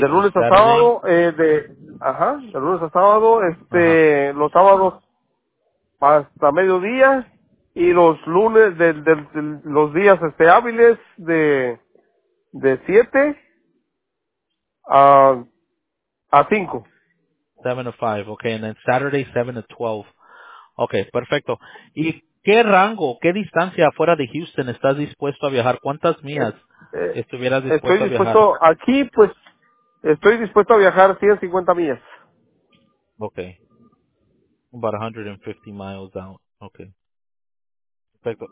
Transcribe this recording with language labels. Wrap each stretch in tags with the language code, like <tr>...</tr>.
<es>de lunes a sábado, de lunes a sábado, los sábados hasta mediodía y los lunes de los días hábiles de 7 a 5.</es> <en>7 to 5, okay, and then Saturday 7 to 12.</en> <es>Okay, perfecto. ¿Y qué rango, qué distancia fuera de Houston estás dispuesto a viajar? ¿Cuántas millas? ¿Estuvieras dispuesto estoy a viajar? Dispuesto aquí, pues, estoy dispuesto a viajar 150 millas.</es> <en>Okay. About 150 miles out. Okay. Perfecto.</en>